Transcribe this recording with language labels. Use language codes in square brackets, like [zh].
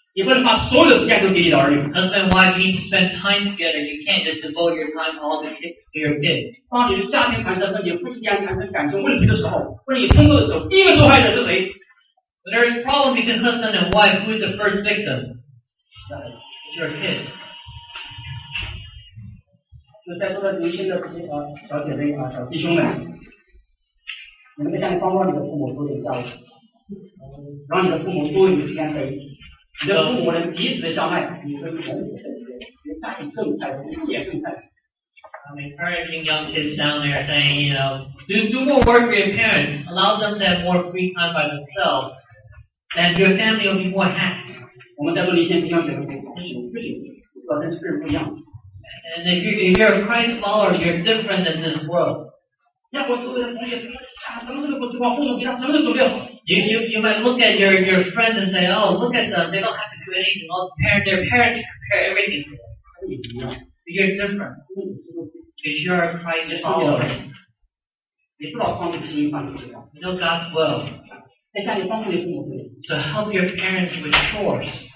[en] Husband and wife need to spend time together. You can't just devote your time all the time to your kids. [zh] 当你的家庭产生问题，夫妻间产生感情问题的时候，或者你冲突的时候，第一个受害者是谁？ [en] But there is a problem between husband and wife. Who is the first victim? It's your kid. [zh] 就在座的女性的这些小姐妹啊，小弟兄们，你们想帮助你的父母多点教育，让你的父母多与时间在一起，你的父母能彼此的相爱，你会更幸福，你家庭更幸福，你也更幸福。 [en] I'm encouraging young kids down there, saying, you know, do more work for your parents. Allow them to have more free time by themselves. Then your family will be more happy. [zh] 我们在座的一些弟兄姐妹，是有距离的，和真实不一样。 [en] And if you're a Christ follower, you're different than this world. [zh] 像我周围的同学，他什么事都不做，父母给他什么都准备好。 [en] You might look at your friends and say, oh, look at them. They don't have to do anything. Their parents prepare everything for them. You're different. Because you're a Christ follower. You know God's will. So help your parents with chores.